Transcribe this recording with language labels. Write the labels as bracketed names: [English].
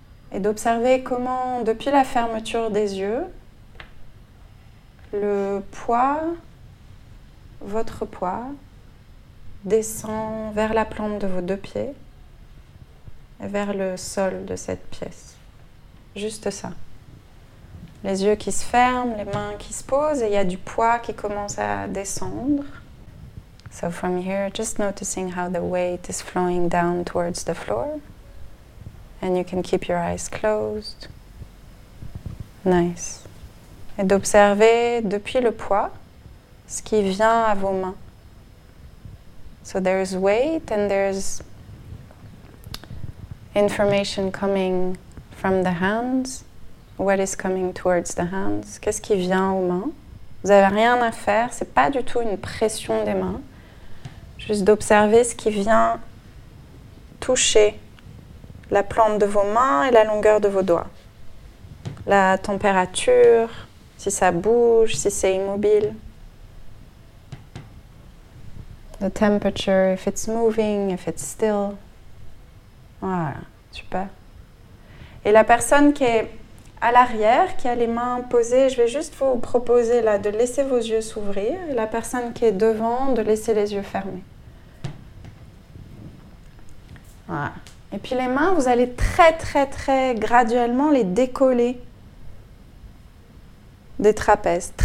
[French] Et d'observer comment, depuis la fermeture des yeux, le poids, votre poids, descend vers la plante de vos deux pieds et vers le sol de cette pièce. Juste ça. Les yeux qui se ferment, les mains qui se posent, et il y a du poids qui commence à descendre. [English] So from here, just noticing how the weight is flowing down towards the floor. And you can keep your eyes closed. Nice. [French] Et d'observer depuis le poids, ce qui vient à vos mains. [English] So there's weight and there's information coming from the hands, what is coming towards the hands? [French] Qu'est-ce qui vient aux mains? Vous n'avez rien à faire, ce n'est pas du tout une pression des mains. Juste d'observer ce qui vient toucher la plante de vos mains et la longueur de vos doigts. la température, si ça bouge, si c'est immobile. [English] The temperature, if it's moving, if it's still. [French] Voilà, super. Et la personne qui est à l'arrière, qui a les mains posées, je vais juste vous proposer là de laisser vos yeux s'ouvrir. Et la personne qui est devant, de laisser les yeux fermés. Voilà. Et puis les mains, vous allez très, très, très graduellement les décoller des trapèzes.